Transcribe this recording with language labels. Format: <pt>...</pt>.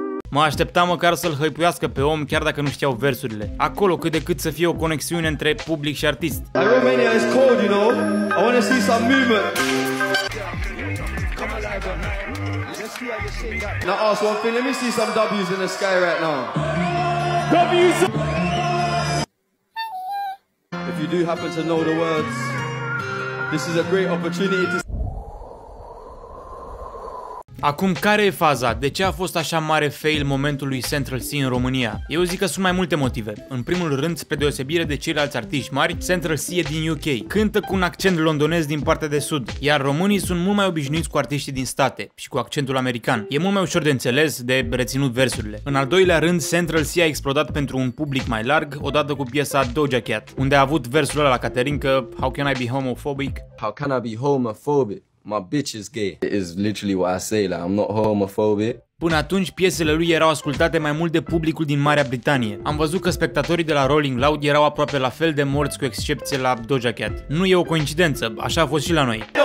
<ro>Mă așteptam măcar să-l hăipuiască pe om, chiar dacă nu știau versurile. Acolo cât de cât să fie o conexiune între public și artist.</ro> <en>Romania is cold, you know? I wanna see some movement. Now ask one thing, let me see some W's in the sky right now. W's! If you do happen to know the words, this is a great opportunity to...</en> <ro>Acum, care e faza? De ce a fost așa mare fail momentul lui Central C în România? Eu zic că sunt mai multe motive. În primul rând, spre deosebire de ceilalți artiști mari, Central C e din UK. Cântă cu un accent londonez din partea de sud, iar românii sunt mult mai obișnuiți cu artiștii din state și cu accentul american. E mult mai ușor de înțeles, de reținut versurile. În al doilea rând, Central C a explodat pentru un public mai larg, odată cu piesa Doja Cat, unde a avut versul ăla la Caterinca:</ro> <en>How can I be homophobic? How can I be homophobic? My bitch is gay. It is literally what I say, like, I'm not homophobic.</en> <ro>Până atunci, piesele lui erau ascultate mai mult de publicul din Marea Britanie. Am văzut că spectatorii de la Rolling Loud erau aproape la fel de morți, cu excepție la Doja Cat. Nu e o coincidență, așa a fost și la noi.</ro>